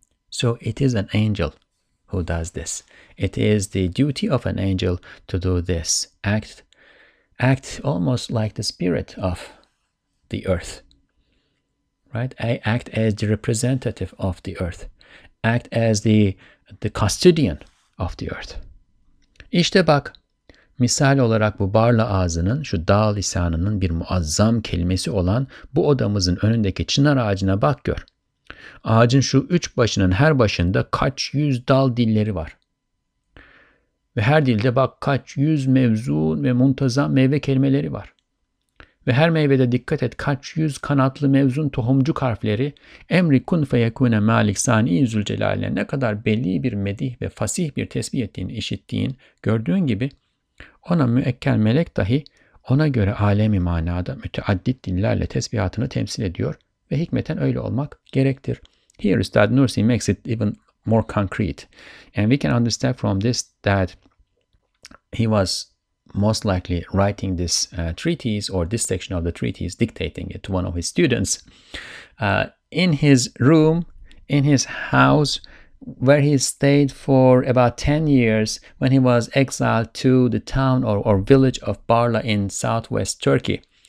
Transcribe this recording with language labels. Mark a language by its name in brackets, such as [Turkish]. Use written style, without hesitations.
[English] So it is an angel who does this. It is the duty of an angel to do this act. Act almost like the spirit of the earth, right? I act as the representative of the earth, act as the custodian of the earth. [Turkish] İşte bak, misal olarak bu barla ağzının, şu dağ lisanının bir muazzam kelimesi olan bu odamızın önündeki çınar ağacına bak gör. Ağacın şu üç başının her başında kaç yüz dal dilleri var. Ve her dilde bak kaç yüz mevzun ve muntazam meyve kelimeleri var. Ve her meyvede dikkat et kaç yüz kanatlı mevzun tohumcuk harfleri, emri kun fe yekune malik sani-i zülcelaline ne kadar belli bir medih ve fasih bir tesbih ettiğini işittiğin, gördüğün gibi, ona müekkel melek dahi ona göre alemi manada müteaddit dillerle tesbihatını temsil ediyor ve hikmeten öyle olmak gerektir. [English] Here Üstad Nursi makes it even more concrete, and we can understand from this that he was most likely writing this treatise, or this section of the treatise, dictating it to one of his students in his room, in his house, where he stayed for about 10 years when he was exiled to the town or village of Barla in southwest Turkey.